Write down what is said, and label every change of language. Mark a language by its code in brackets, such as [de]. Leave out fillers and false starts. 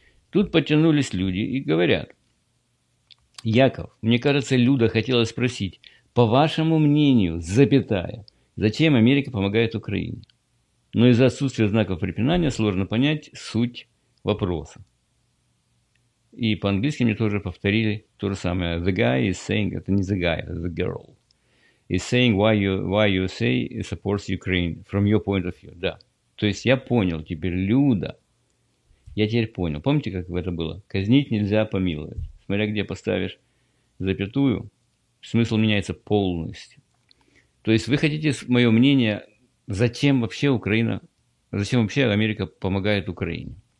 [ru] Тут подтянулись люди и говорят: Яков, мне кажется, Люда хотела спросить, по вашему мнению, запятая, зачем Америка помогает Украине? Но из-за отсутствия знаков препинания сложно понять суть вопроса. И по-английски мне тоже повторили то же самое. [en] The guy is saying, [ru] это не [en] the guy, the girl, is saying why you say it supports Ukraine from your point of view. [ru] Да. То есть я понял теперь, Люда. Я теперь понял. Помните, как это было? Казнить нельзя, помиловать. Смотря где поставишь запятую, смысл меняется полностью. То есть вы хотите мое мнение, зачем вообще Украина, зачем вообще Америка помогает Украине?